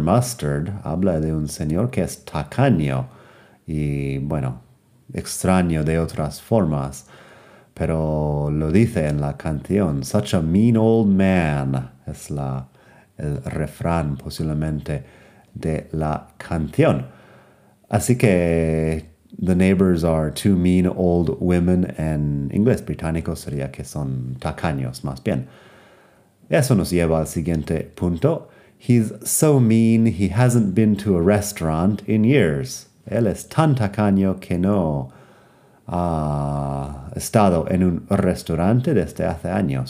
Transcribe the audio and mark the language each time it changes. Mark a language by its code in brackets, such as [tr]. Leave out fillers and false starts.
[es] Mustard habla de un señor que es tacaño y, bueno, extraño de otras formas, pero lo dice en la canción. [en] Such a mean old man [es] es el refrán posiblemente de la canción. Así que, [en] the neighbors are two mean old women. [es] En inglés británico sería que son tacaños, más bien. Eso nos lleva al siguiente punto. [en] He's so mean, he hasn't been to a restaurant in years. [es] Él es tan tacaño que no ha estado en un restaurante desde hace años.